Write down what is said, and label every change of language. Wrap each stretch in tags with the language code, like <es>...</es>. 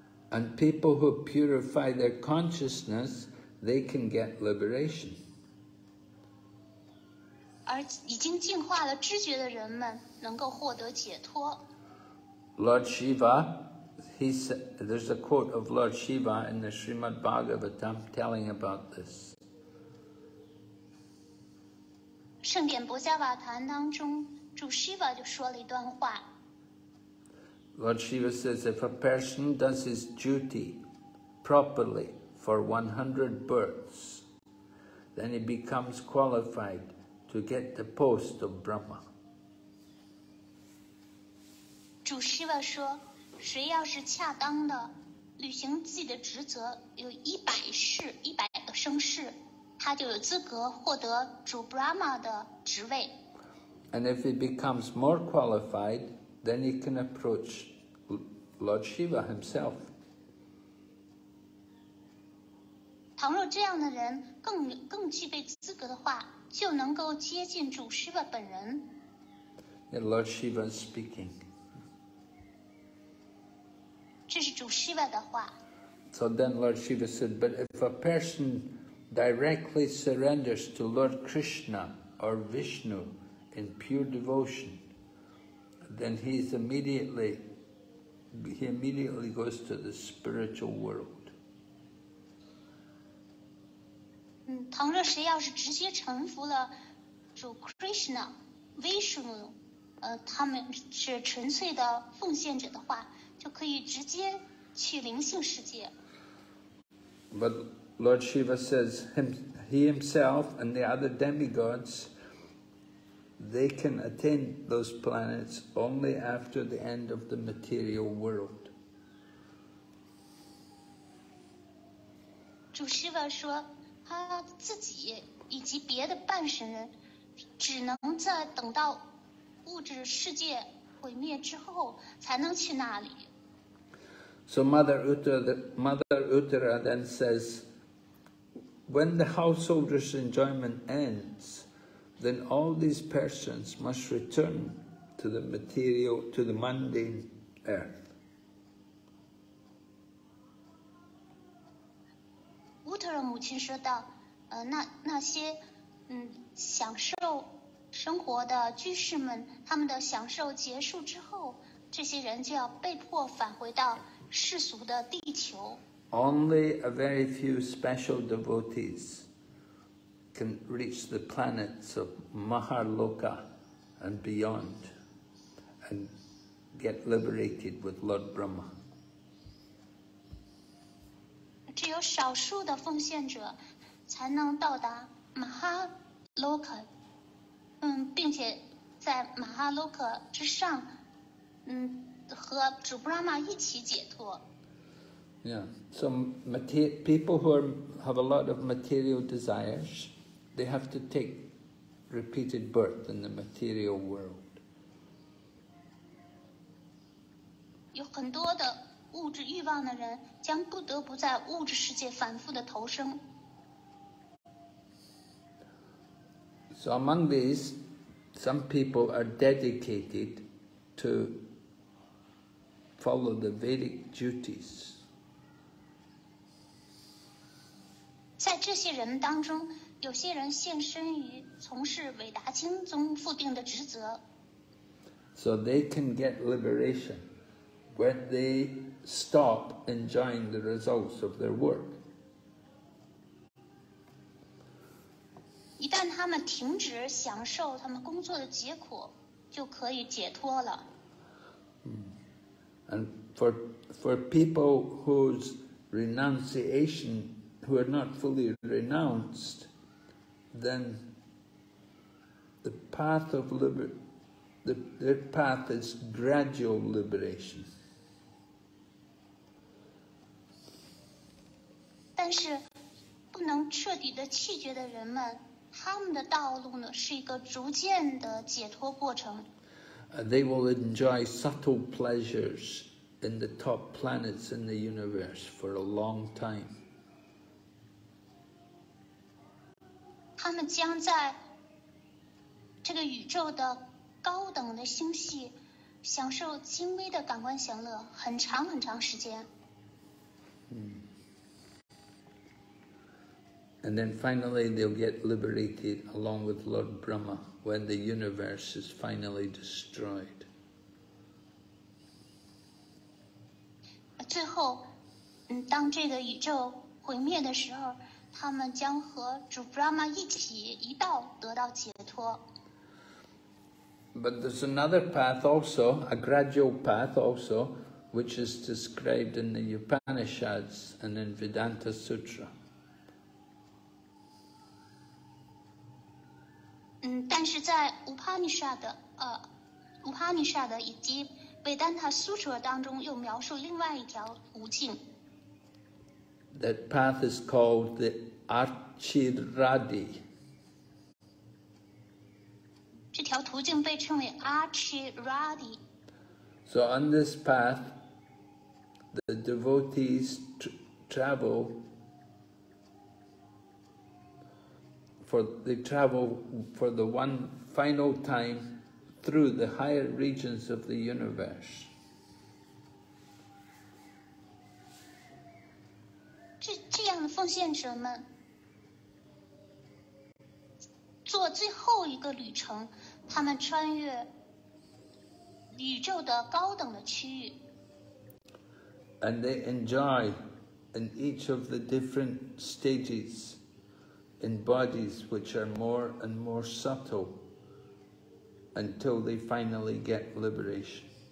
<en>And people who purify their consciousness, they can get liberation.</en> <zh>而已经净化了知觉的人们能够获得解脱。</zh> <en>Lord Shiva, there's a quote of Lord Shiva in the Srimad Bhagavatam telling about this.</en> <zh>圣典博伽瓦坛当中，主 Shiva 就说了一段话。</zh> <en>Lord Shiva says, if a person does his duty properly for 100 births, then he becomes qualified to get the post of Brahma.</en> <zh>主 Shiva 说，谁要是恰当的履行自己的职责，有100世、100个生世，他就有资格获得主 Brahma 的职位。</zh> <en>And if he becomes more qualified, then he can approach Lord Shiva himself.</en> <zh>倘若这样的人更具备资格的话，就能够接近主 Shiva 本人。</zh> <en>Yeah, Lord Shiva is speaking.</en> <zh>这是主 Shiva 的话。</zh> <en>So then Lord Shiva said, but if a person directly surrenders to Lord Krishna or Vishnu in pure devotion, then he immediately goes to the spiritual world.</en> <zh>倘若谁要是直接臣服了主 Krishna、Vishnu， 他们是纯粹的奉献者的话，就可以直接去灵性世界。</zh> <en>But Lord Shiva says he himself and the other demigods, they can attain those planets only after the end of the material world.</en> <zh>主 Shiva 说，他自己以及别的半神人，只能在等到物质世界毁灭之后，才能去那里。</zh> <en>So Mother Uttara then says, when the householder's enjoyment ends, then all these persons must return to the material, to the mundane earth.</en> <zh>Uttara 母亲说道，那些享受生活的居士们，他们的享受结束之后，这些人就要被迫返回到世俗的地球。</zh> <en>Only a very few special devotees can reach the planets of Mahaloka and beyond and get liberated with Lord Brahma.</en> <zh>只有少数的奉献者才能到达 Mahaloka， 并且在 Mahaloka 之上和主 Brahma 一起解脱。</zh> <en>Yeah, so people who have a lot of material desires, they have to take repeated birth in the material world.</en> <zh>有很多的物质欲望的人将不得不在物质世界反复的投生。</zh> <en>So among these, some people are dedicated to follow the Vedic duties.</en> <zh>在这些人当中，有些人献身于从事韦达经中附定的职责。</zh> <en>So they can get liberation when they stop enjoying the results of their work.</en> <zh>一旦但他们停止享受他们工作的结果，就可以解脱了。</zh> <en>And for people whose renunciation, who are not fully renounced, then the path of their path is gradual liberation.</en> <zh>但是不能彻底的弃绝的人们，他们的道路呢是一个逐渐的解脱过程。</zh> <en>They will enjoy subtle pleasures in the top planets in the universe for a long time.</en> <zh>他们将在这个宇宙的高等的星系享受精微的感官享乐很长很长时间。</zh> <en>And then finally they'll get liberated along with Lord Brahma when the universe is finally destroyed.</en> <zh>最后，当这个宇宙毁灭的时候，他们将和主 Brahma 一起一道得到解脱。</zh> <en>But there's another path also, a gradual path also, which is described in the Upanishads and in Vedanta Sutra.</en> <zh>但是在乌帕尼沙德以及维丹塔苏舍当中又描述另外一条无尽。</zh> <en>That path is called the Archiradi.</en> <zh>这条途径被称为 Archiradi.</zh> <en>So on this path, the devotees travel. They travel for the one final time through the higher regions of the universe.</en> <zh>这样的奉献者们做最后一个旅程，他们穿越宇宙的高等的区域。</zh> <en>And they enjoy in each of the different stages. In bodies which are more and more subtle until they finally get liberation.</en>